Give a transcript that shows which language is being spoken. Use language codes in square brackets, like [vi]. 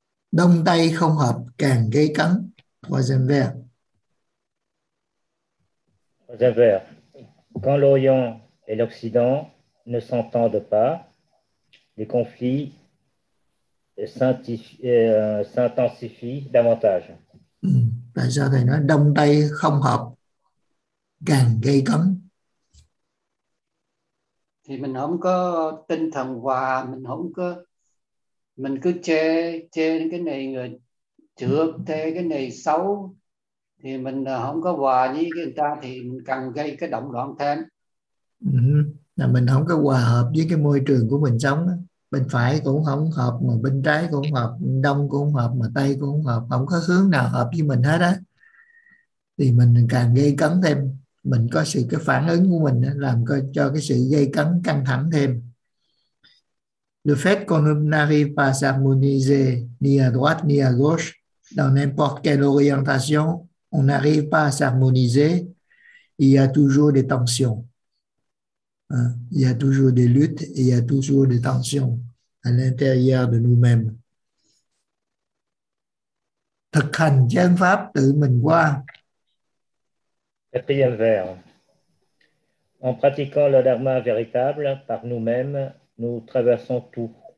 [vi] Đông tay không hợp càng gây cấn. [fr] Troisième vers. Troisième vers. Quand l'Orient et l'Occident ne s'entendent pas, les conflits s'intensifient davantage. [vi] Tại sao thầy nói đông tay không hợp càng gây cấn? Thì mình không có tinh thần hòa, mình không có, mình cứ chê cái này người trước, chê cái này xấu, thì mình không có hòa với người ta thì mình càng gây cái động loạn thêm. Là mình không có hòa hợp với cái môi trường của mình sống đó. Bên phải cũng không hợp, mà bên trái cũng không hợp, đông cũng không hợp, mà tây cũng không hợp, không có hướng nào hợp với mình hết á, thì mình càng gây cấn thêm, mình có sự cái phản ứng của mình đó, làm cho cái sự gây cấn căng thẳng thêm. [fr] Le fait qu'on n'arrive pas à s'harmoniser ni à droite ni à gauche dans n'importe quelle orientation, on n'arrive pas à s'harmoniser, il y a toujours des tensions. Il y a toujours des luttes et il y a toujours des tensions à l'intérieur de nous-mêmes. [vi] Thực hành chánh pháp tự mình qua. [fr] Quatrième vers. En pratiquant le dharma véritable par nous-mêmes, nous traversons tout.